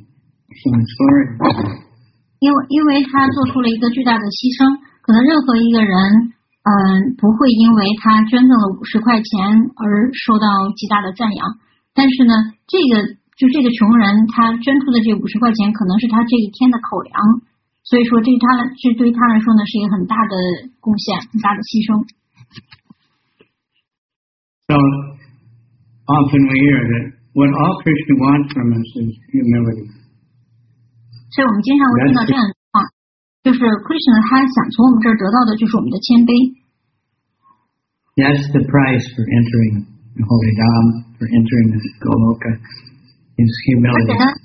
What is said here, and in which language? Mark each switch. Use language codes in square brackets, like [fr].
[en] So it's glorious. [zh] 因为他做出了一个巨大的牺牲，可能任何一个人，不会因为他捐赠了50块钱而受到极大的赞扬。但是呢，这个穷人他捐出的这50块钱可能是他这一天的口粮，所以说这对他来说呢是一个很大的贡献，很大的牺牲。 [en] So often we hear that what all Krishna wants from us is humility. So we often hear this kind of thing. [zh] 就是 Krishna 他想从我们这儿得到的就是我们的谦卑。 [en] That's the price for entering the Holy Dham, for entering the Goloka, is humility.